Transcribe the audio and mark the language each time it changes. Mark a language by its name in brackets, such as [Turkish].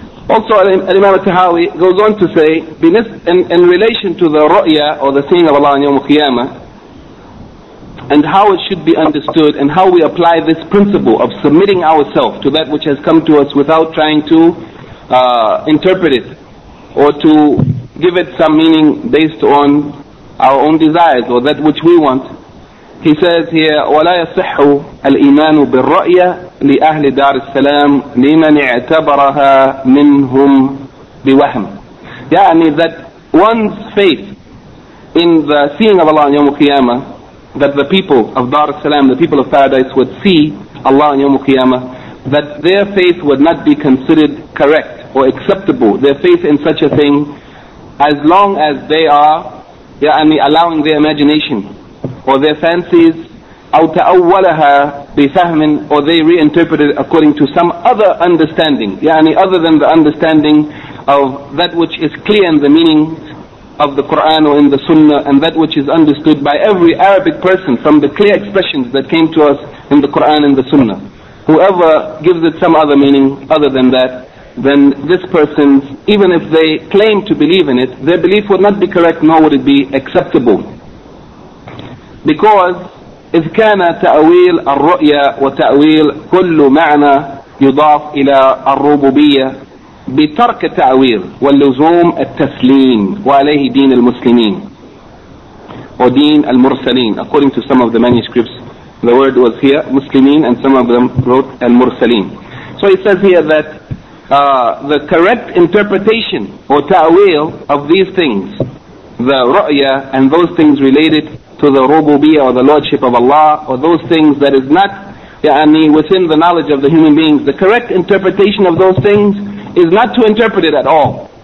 [English] Also, Imam al-Tahawi goes on to say, in relation to the ru'ya or the seeing of Allah on Yawm al-Qiyamah, and how it should be understood and how we apply this principle of submitting ourselves to that which has come to us without trying to interpret it or to give it some meaning based on our own desires or that which we want. He says here, [Arabic] وَلَا يَصِحُّ الْإِيمَانُ بِالرَّأْيَ لِأَهْلِ دَارِ السَّلَامِ لِمَنْ اِعْتَبَرَهَا مِنْهُمْ بِوَهْمِ. [English] يعني that one's faith in the seeing of Allah on Yawm al-Qiyamah, that the people of Dar al-Salam, the people of Paradise, would see Allah on Yawm al-Qiyamah, that their faith would not be considered correct or acceptable, their faith in such a thing, as long as they are allowing their imagination or their fancies, [Arabic] أو تأولها بفهم, [English] or they reinterpreted according to some other understanding, other than the understanding of that which is clear in the meaning of the Quran or in the Sunnah, and that which is understood by every Arabic person from the clear expressions that came to us in the Quran and the Sunnah. Whoever gives it some other meaning other than that, then this person, even if they claim to believe in it, their belief would not be correct nor would it be acceptable. [Arabic] Because إذ كان تأويل الرؤيا وتأويل كل معنى يضاف إلى الربوبية بترك التأويل واللزوم التسليم وعليه دين المسلمين ودين المرسلين. [English] According to some of the manuscripts, the word was here مسلمين, and some of them wrote المرسلين. So it says here that the correct interpretation or ta'wil of these things, the ru'ya and those things related to the rububiyya or the lordship of Allah, or those things that is not within the knowledge of the human beings, the correct interpretation of those things is not to interpret it at all.